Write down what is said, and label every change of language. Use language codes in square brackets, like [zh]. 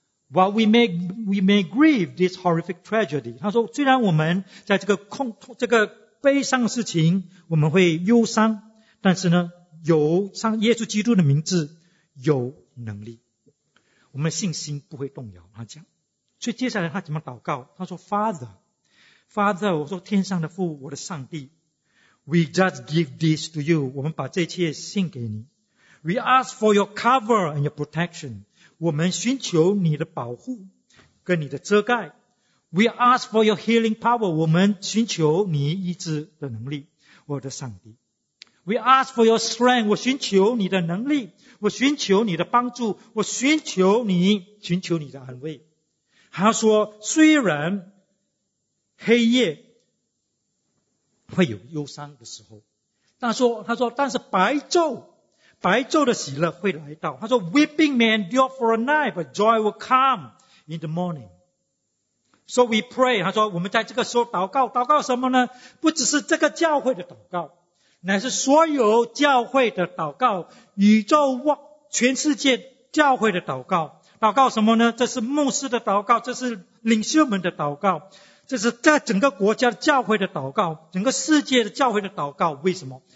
[en] While we may grieve this horrific tragedy， [zh] 他说虽然我们在这个悲伤的事情我们会忧伤，但是呢，有上耶稣基督的名字有能力，我们信心不会动摇。他讲，所以接下来他怎么祷告？他说 Father， 我说天上的父，我的上帝， [en] We just give this to you， [zh] 我们把这切献给你。 [en] We ask for your cover and your protection， [zh] 我们寻求你的保护跟你的遮盖。 [en] We ask for your healing power， [zh] 我们寻求你医治的能力，我的上帝。 [en] We ask for your strength， [zh] 我寻求你的能力，我寻求你的帮助，我寻求你的安慰。他说虽然黑夜会有忧伤的时候，但是白昼的喜乐会来到。他说 [en] Weeping may endure for a night， but joy will come in the morning。 So we pray， [zh] 他说我们在这个时候祷告，祷告什么呢？不只是这个教会的祷告，乃是所有教会的祷告，宇宙全世界教会的祷告。祷告什么呢？这是牧师的祷告，这是领袖们的祷告，这是在整个国家教会的祷告，整个世界的教会的祷告。为什么？